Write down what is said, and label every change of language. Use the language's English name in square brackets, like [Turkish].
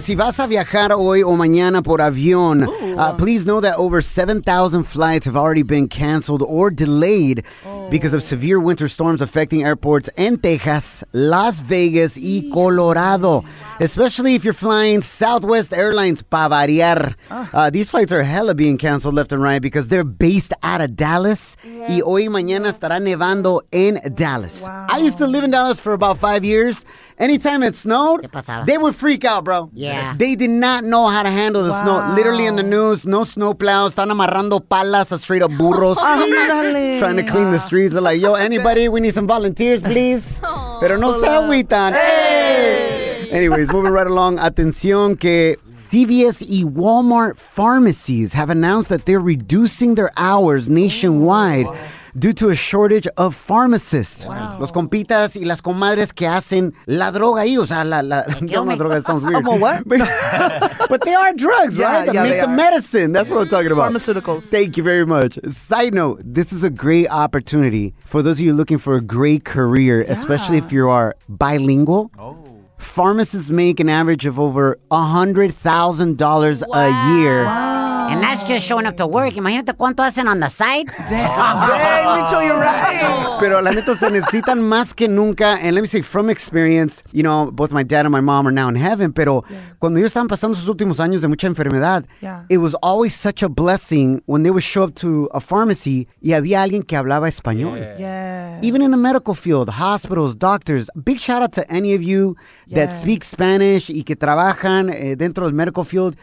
[Spanish] Si vas a viajar hoy o mañana por avión, [English] please know that over 7,000 flights have already been canceled or delayed because of severe winter storms affecting airports in Texas, Las Vegas, y Colorado. Especially if you're flying Southwest Airlines, [Spanish] pa variar. [English] These flights are hella being canceled left and right because they're based out of Dallas. [Spanish] Yes. Y hoy mañana estará nevando en Dallas. [English] Wow. I used to live in Dallas for about 5 years. Anytime it snowed, they would freak out, bro. Yeah. They did not know how to handle the snow. Literally in the news, no snow plows. [Spanish] Están amarrando palas a [English] straight up burros. Trying to clean the streets. They're like, yo, anybody, we need some volunteers, please. [Spanish] Pero no se agüitan. [English] Anyways, moving right along. [Spanish] Atención que [English] CVS y Walmart pharmacies have announced that they're reducing their hours nationwide due to a shortage of pharmacists. Wow. [Spanish] Los compitas y las comadres que hacen la droga ahí. O sea, la droga. [English] That sounds weird. I'm a what? But they are drugs, yeah, right? Yeah, make the Medicine. That's what I'm talking about. Pharmaceuticals. Thank you very much. Side note, this is a great opportunity for those of you looking for a great career, especially if you are bilingual. Oh. Pharmacists make an average of over $100,000 a year. Wow. And that's just showing up to work. [Spanish] Imagínate cuánto hacen [English] on the side. Dang, Mitchell, you're right. [Spanish] Pero la neta, se necesitan más que nunca. [English] And let me say, from experience, you know, both my dad and my mom are now in heaven. [Spanish] Pero cuando ellos estaban pasando sus últimos años de mucha enfermedad, [English] it was always such a blessing when they would show up to a pharmacy [Spanish] y había alguien que hablaba español. [English] Yeah. Even in the medical field, hospitals, doctors, big shout out to any of you that speak Spanish [Spanish] y que trabajan dentro del [English] medical field.